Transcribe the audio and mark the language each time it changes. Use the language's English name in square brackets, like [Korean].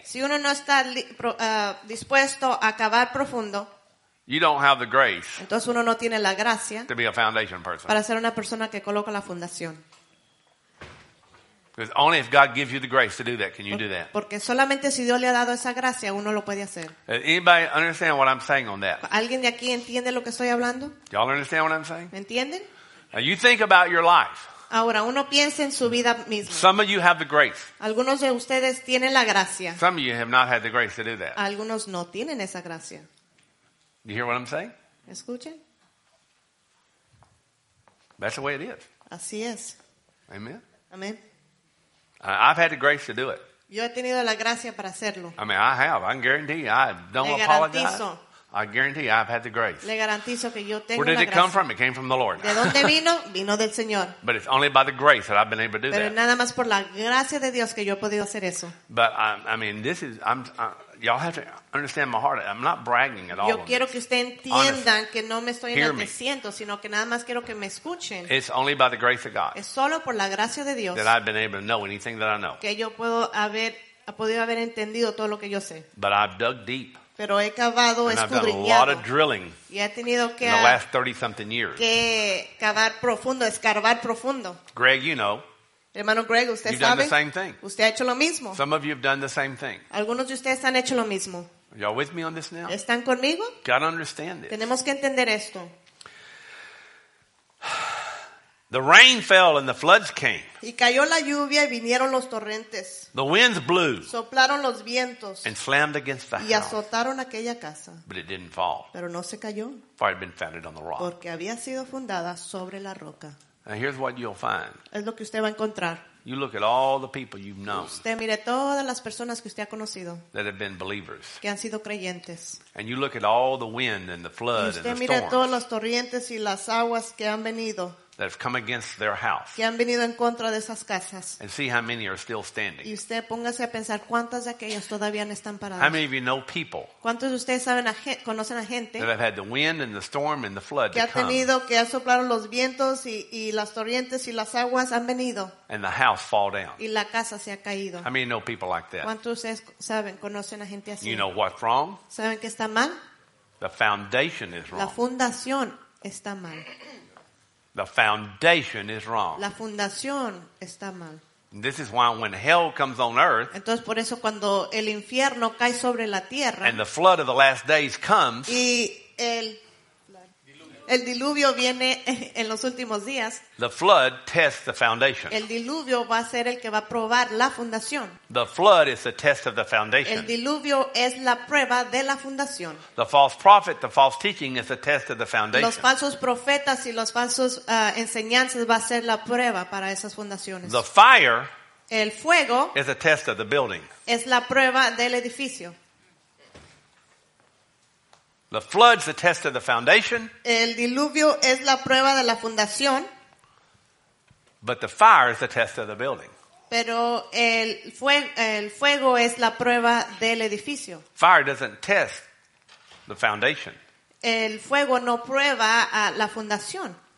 [Spanish] Si uno no está dispuesto a cavar profundo, [English] you don't have the grace, [Spanish] entonces uno no tiene la gracia, [English] to be a foundation person, [Spanish] para ser una persona que coloca la fundación. [English] Because only if God gives you the grace to do that, can you do that. [Spanish] Porque solamente si Dios le ha dado esa gracia, uno lo puede hacer. [English] Anybody understand what I'm saying on that? [Spanish] ¿Alguien de aquí entiende lo que estoy hablando? [English] Y'all understand what I'm saying? [Spanish] ¿Me entienden? [English] Now you think about your life. [Spanish] Ahora uno piensa en su vida misma. [English] Some of you have the grace. [Spanish] Algunos de ustedes tienen la gracia. [English] Some of you have not had the grace to do that. [Spanish] Algunos no tienen esa gracia. [English] You hear what I'm saying? [Spanish] ¿Escuchen? [English] That's the way it is. [Spanish] Así es. [English] Amen. [Spanish] Amen. [English] I've had the grace to do it. [Spanish] Yo he tenido la gracia para hacerlo. [English] I mean, I have. I guarantee. I don't [Spanish] Le [English] apologize. [Spanish] Garantizo. [English] I guarantee I've had the grace. [Spanish] Le garantizo que yo tengo [English] Where did [Spanish] la [English] it [Spanish] gracia. [English] Come from? It came from the Lord. [Spanish] ¿De dónde vino? Vino del Señor. [English] But it's only by the grace that I've been able to do [Spanish] Pero [English] that. [Spanish] Pero nada más por la gracia de Dios que yo he podido hacer eso. [English] But I mean, this is, y'all have to understand my heart. I'm not bragging at all. [Spanish] Yo quiero que ustedes entiendan [English] Honestly. [Spanish] Que no me estoy enalteciendo, sino que nada más quiero que me escuchen. [English] It's only by the grace of God. [Spanish] Es solo por la gracia de Dios. [English] That I've been able to know anything that I know. [Spanish] Que yo puedo haber ha podido haber entendido todo lo que yo sé. [English] But I've dug deep. [Spanish] Pero he cavado, escudriñado. [English] I've done a lot of drilling. [Spanish] Y he tenido que [English] in the last 30-something years. [Spanish] Que cavar profundo, escarbar profundo. [English] Greg, you know. [Spanish] Hermano Greg, usted [English] you've [Spanish] sabe. [English] You've done the same thing. [Spanish] Usted ha hecho lo mismo. [English] Some of you have done the same thing. [Spanish] Algunos de ustedes han hecho lo mismo. [English] Are y'all with me on this now? [Spanish] ¿Están conmigo? [English] Got to understand this. [Spanish] Tenemos que entender esto. [English] The rain fell and the floods came. [Spanish] Y cayó la lluvia y vinieron los torrentes. [English] The winds blew. [Spanish] Soplaron los vientos. [English] And slammed against the [Spanish] y azotaron aquella casa. [English] But it didn't fall. [Spanish] Pero no se cayó. [English] For it had been founded on the rock. [Spanish] Porque había sido fundada sobre la roca. [English] And here's what you'll find. [Spanish] Es lo que usted va a encontrar. [English] You look at all the people you've known. [Spanish] Usted mire todas las personas que usted ha conocido. [English] That have been believers. [Spanish] Que han sido creyentes. [English] And you look at all the wind and the flood and the storms. [Spanish] Usted mire todos los torrentes y las aguas que han venido. [English] That have come against their house. [Spanish] Que han venido en contra de esas casas. [English] And see how many are still standing. [Spanish] Y usted póngase a pensar cuántas de aquellas todavía no están paradas. [English] How many of you know people? [Spanish] ¿Cuántos de ustedes saben conocen a gente? [English] That have had the wind and the storm and the flood. [Spanish] Que ha tenido que ha soplado los vientos y las torrientes y las aguas han venido. [English] And the house fall down. [Spanish] Y la casa se ha caído. [English] How many know people like that? [Spanish] ¿Cuántos de ustedes saben conocen a gente así? [English] You know what's wrong? [Spanish] ¿Saben qué está mal? [English] The foundation is wrong. [Spanish] La fundación está mal. [English] The foundation is wrong. [Spanish] La fundación está mal. [English] This is why when hell comes on earth, [Spanish] entonces por eso cuando el infierno cae sobre la tierra, [English] and the flood of the last days comes, [Spanish] y el diluvio viene en los últimos días, [English] the flood tests the foundation. [Spanish] El diluvio va a ser el que va a probar la fundación. [English] The flood is the test of the foundation. [Spanish] El diluvio es la prueba de la fundación. [English] The false prophet, the false teaching is the test of the foundation. [Spanish] Los falsos profetas y los falsos enseñanzas va a ser la prueba para esas fundaciones. [English] The fire, [Spanish] el fuego, [English] is the test of the building. [Spanish] Es la prueba del edificio. [English] The flood's the test of the foundation. [Spanish] El diluvio es la prueba de la fundación. [English] But the fire is the test of the building. [Spanish] Pero el fuego es la prueba del edificio. [English] Fire doesn't test the foundation. [Spanish] El fuego no prueba a la fundación.